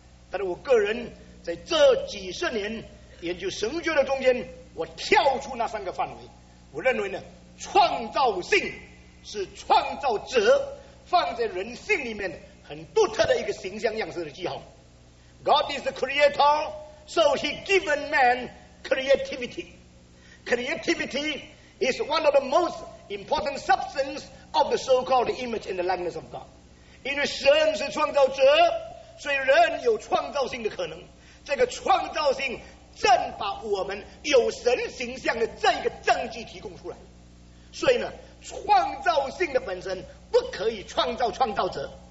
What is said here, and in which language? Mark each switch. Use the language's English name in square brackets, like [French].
[Chinese] 但是我个人在这几十年研究神学的中间，我跳出那三个范围，我认为呢，创造性是创造者放在人性里面很独特的一个形象样式的记号。 [English] God is the creator, so he given man creativity. Creativity is one of the most important substance of the so-called image and the likeness of God. [Chinese] 因为神是创造者，所以人有创造性的可能。这个创造性正把我们有神形象的这一个证据提供出来。所以呢，创造性的本身不可以创造创造者。